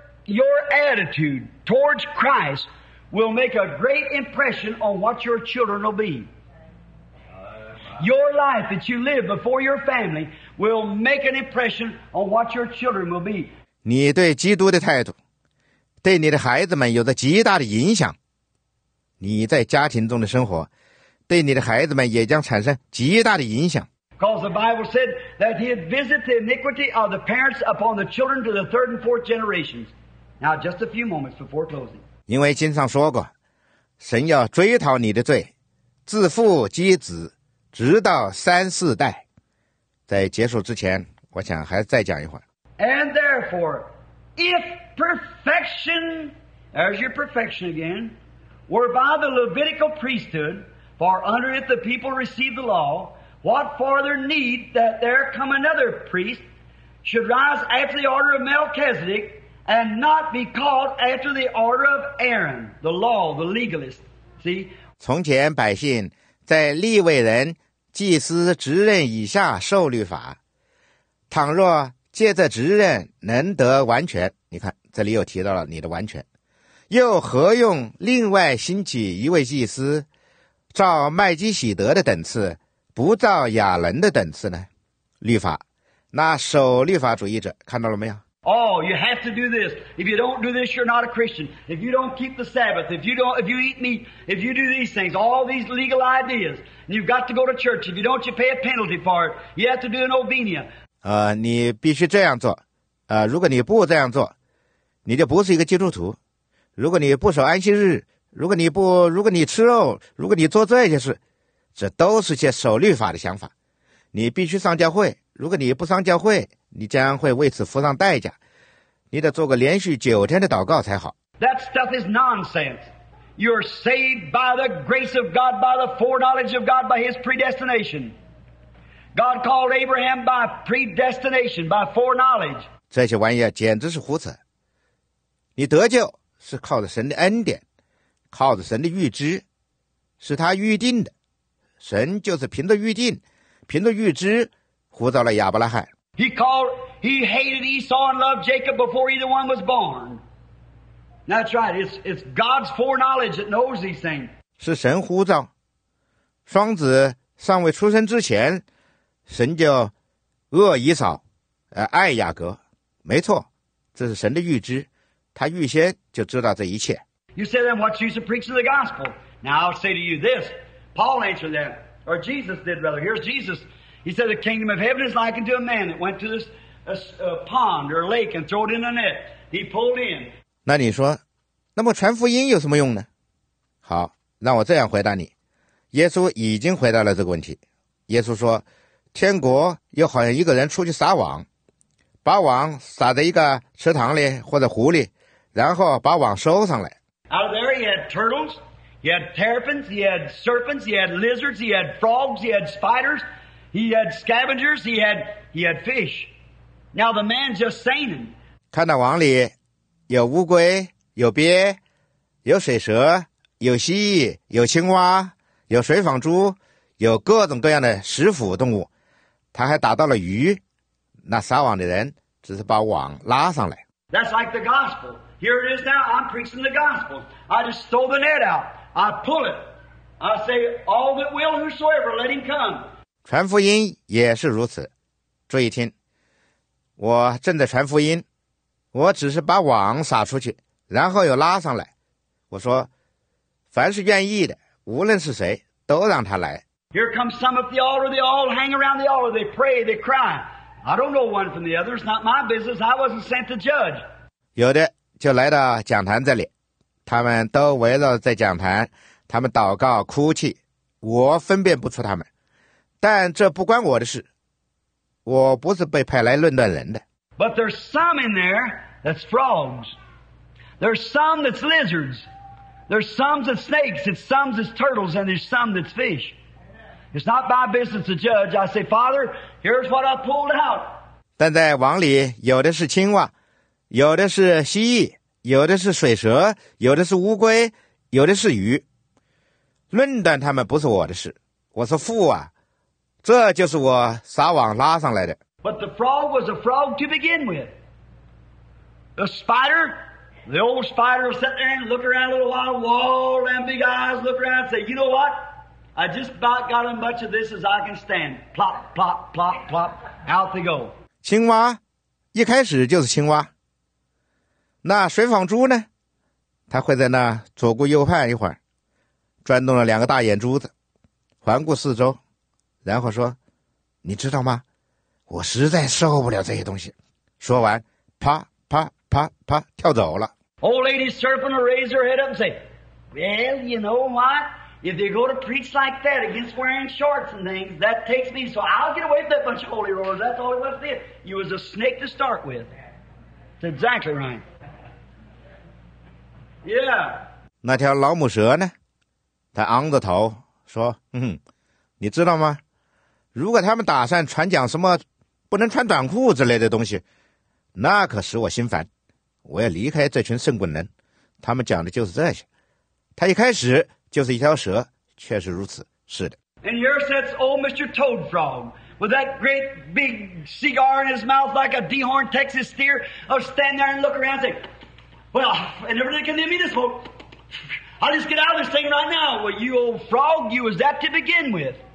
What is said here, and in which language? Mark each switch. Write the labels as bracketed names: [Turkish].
[English] Your attitude towards Christ will make a great impression on what your children will be. Your life that you live before your family will make an impression on what your children will be. [Chinese] 你对基督的态度，对你的孩子们有着极大的影响。你在家庭中的生活，对你的孩子们也将产生极大的影响。 [English] Because the Bible said that he had visited the iniquity of the parents upon the children to the third and fourth generations. Now, just a few moments before closing. [Chinese] 因为经上说过，神要追讨你的罪，自父及子，直到三四代。在结束之前，我想还再讲一会儿。 [English] And therefore, if perfection, there's your perfection again, were by the Levitical priesthood, for under it the people received the law, what farther need that there come another priest should rise after the order of Melchizedek? And not be called after the order of Aaron, the law, the legalist. See? [Chinese] 从前百姓在利未人祭司职任以下受律法，倘若借着职任能得完全，你看这里又提到了你的完全，又何用另外兴起一位祭司，照麦基洗德的等次，不照亚伦的等次呢？律法，那守律法主义者看到了没有？ [English] Oh, you have to do this. If you don't do this, you're not a Christian. If you don't keep the Sabbath, if you eat meat, if you do these things, all these legal ideas, and you've got to go to church. If you don't, you pay a penalty for it. You have to do an obenia. [Chinese] 你必须这样做。如果你不这样做，你就不是一个基督徒。如果你不守安息日，如果你吃肉，如果你做这些事，这都是些守律法的想法。你必须上教会，如果你不上教会，你将会为此付上代价。你得做个连续九天的祷告才好。 [English] That stuff is nonsense. You're saved by the grace of God, by the foreknowledge of God, by His predestination. God called Abraham by predestination, by foreknowledge. [Chinese] 这些玩意儿简直是胡扯。你得救是靠着神的恩典，靠着神的预知，是他预定的。神就是凭着预定，凭着预知，呼召了亚伯拉罕。 [English] He hated Esau and loved Jacob before either one was born. That's right. It's God's foreknowledge that knows these things. [Chinese] 是神呼召，双子尚未出生之前，神就恶以扫，爱雅各。没错，这是神的预知，他预先就知道这一切。 [English] You say then what use of preaching the gospel? Now I'll say to you this. Paul answered that, or Jesus did rather. Here's Jesus. He said the kingdom of heaven is likened to a man that went to this. A pond or lake and throw it in a net. He pulled in. [Chinese] 那你说，那么传福音有什么用呢？好，让我这样回答你。耶稣已经回答了这个问题。耶稣说，天国又好像一个人出去撒网，把网撒在一个池塘里或者湖里，然后把网收上来。 [English] Out of there, he had turtles, he had terrapins, he had serpents, he had lizards, he had frogs, he had spiders, he had scavengers, he had fish. Now the man just seen him. [Chinese] 看到网里有乌龟，有鳖，有水蛇，有蜥蜴，有青蛙，有水纺猪，有各种各样的食腐动物。他还打到了鱼。那撒网的人只是把网拉上来。 [English] That's like the gospel. Here it is now. I'm preaching the gospel. I just throw the net out. I pull it. I say, all that will, whosoever, let him come. [Chinese] 传福音也是如此。注意听。我正在传福音，我只是把网撒出去，然后又拉上来。我说，凡是愿意的，无论是谁，都让他来。 [English] Here comes some at the altar. They all hang around the altar. They pray. They cry. I don't know one from the other. It's not my business. I wasn't sent to judge. [Chinese] 有的就来到讲坛这里，他们都围绕在讲坛，他们祷告、哭泣，我分辨不出他们。但这不关我的事。我不是被派来论断人的。 [English] But there's some in there that's frogs. There's some that's lizards. There's some that's snakes. It's some that's turtles. And there's some that's fish. It's not my business to judge. I say, Father, here's what I pulled out. [Chinese] 但在网里有的是青蛙，有的是蜥蜴，有的是水蛇，有的是乌龟，有的是鱼。论断他们不是我的事。我说父啊。这就是我撒网拉上来的。 [English] But the frog was a frog to begin with. The spider, the old spider will sit there and look around a little while, wall around big eyes, look around and say, you know what? I just about got as much of this as I can stand. Plop, plop, plop, plop, out they go. [Chinese] 青蛙一开始就是青蛙。那水纺猪呢？它会在那左顾右盼一会儿，转动了两个大眼珠子，环顾四周。然后说，你知道吗？我实在受不了这些东西。说完，啪啪啪啪跳走了。 [English] Old lady serpent will raise her head up and say, well, you know what? If they go to preach like that against wearing shorts and things, that takes me, so I'll get away with that bunch of holy rollers. That's all it was there. You was a snake to start with. That's exactly right. Yeah. [Chinese] 那条老母蛇呢？她昂着头说，你知道吗？如果他们打算传讲什么不能穿短裤之类的东西，那可使我心烦。我要离开这群圣滚人，他们讲的就是这些。他一开始就是一条蛇，确实如此。是的。 [English] And here sits old Mr. Toad Frog with that great big cigar in his mouth like a dehorn Texas steer. I'll stand there and look around and say, well, and everything can give me this hope. I'll just get out of this thing right now. Well, you old frog, you was that to begin with.